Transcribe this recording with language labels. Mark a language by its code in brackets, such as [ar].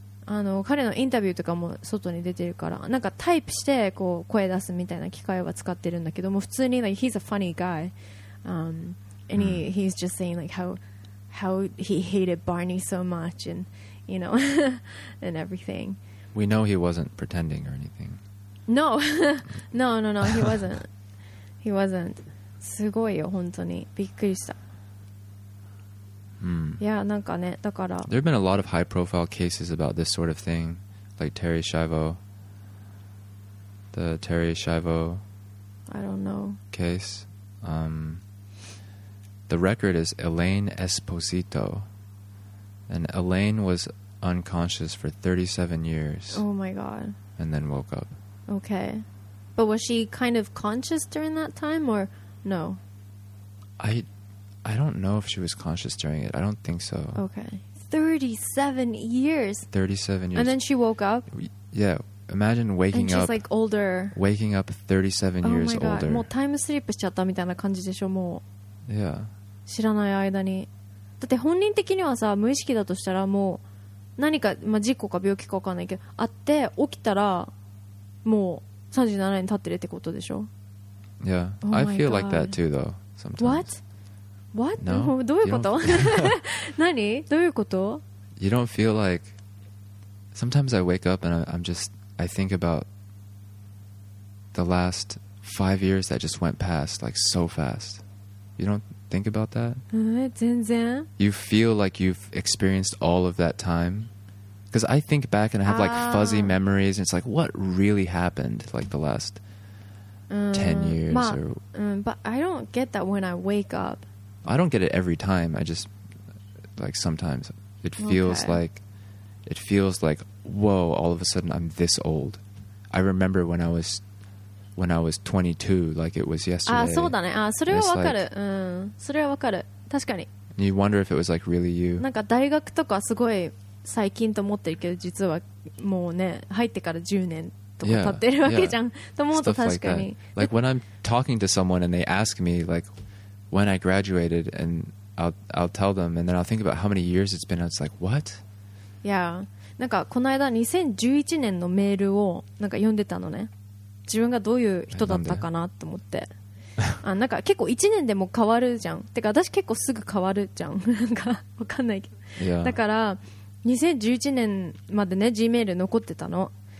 [ja] あの彼のインタビューとかも外に出てるから、なんかタイプしてこう声出すみたいな機械は使ってるんだけども、普通に、 [en] like, He's a funny guy、and he's just saying like how he hated Barney so much and you know and everything. We know he wasn't pretending or anything. No. No, he wasn't. He wasn't. [ja] すごいよ本当に、びっくりした。 Hmm. [en] Yeah, [ja] なんかね、だから [en] There have been a lot of high profile cases about this sort of thing, like Terry Schiavo. The Terry Schiavo I don't know. Case. The record is Elaine Esposito. And Elaine was unconscious for 37 years. Oh my god. And then woke up. Okay. But was she kind of conscious during that time or no? I don't know if she was conscious during it. I don't think so. Okay. 37 years. 37 years. And then she woke up? Yeah. Imagine waking up. And she's like older. Waking up 37 years older. Oh my god. [ja] もうタイムスリップしちゃったみたいな感じでしょ、もう。 [en] Yeah. [ja] 知らない間に。だって本人的にはさ、無意識だとしたらもう何か、まあ、事故か病気か分かんないけどあって、起きたらもう37年経ってるってことでしょ。 [en] Yeah、oh、I feel like that too though sometimes. What? What? No? [ja] どういうこと何どういうこと。 [en] You don't feel like sometimes I wake up and I'm just I think about the last 5 years that just went past like so fast. You don't think about that? [ja] 全然。 [en] You feel like you've experienced all of that time. Because I think back and I have like fuzzy memories and it's like what really happened like the last 10 years or... But I don't get that when I wake up. I don't get it every time. I just like sometimes it feels like it feels like whoa, all of a sudden I'm this old. I remember when I was 22 like it was yesterday. [ja] あ、そうだね。あ、それはわかる。うん。それはわかる。確かに。 [en] You wonder if it was like really you. [ja] なんか大学とかすごい最近と思ってるけど、実はもうね、入ってから10年とか経ってるわけじゃん。と思うと確かに。 [en] Like when I'm talking to someone and they ask me like when I graduated and I'll tell them and then I'll think about how many years it's been and it's like what? Yeah. [ja] なんかこの間2011年のメールをなんか読んでたのね。自分がどういう人だったかなと思って。あ、なんか結構1年でも変わるじゃん。てか私結構すぐ変わるじゃん。なんかわかんないけど。 [en] Yeah. [ja] だから2011年までね、 G メール残ってたの。